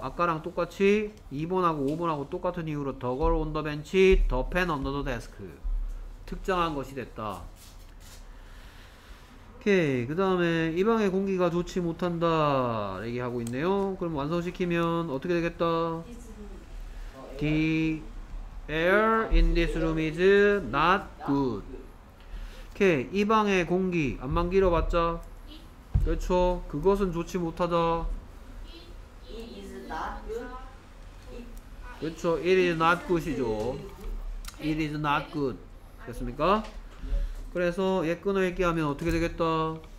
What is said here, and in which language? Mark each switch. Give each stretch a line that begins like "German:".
Korean: 아까랑 똑같이 2번하고 5번하고 똑같은 이유로
English: The girl on the bench, the pen under the desk
Korean: 특정한 것이 됐다. 오케이. 그 다음에 이 방의 공기가 좋지 못한다 얘기하고 있네요. 그럼 완성시키면 어떻게 되겠다?
English: The air in this room is not good.
Korean: 오케이. 이 방의 공기 안만 길어봤자 그렇죠. 그것은 좋지 못하다.
English: Not good.
Korean: 그렇죠.
English: It is not good이죠. It is not good.
Korean: 됐습니까? 그래서 얘 끊어 읽기 하면 어떻게 되겠다?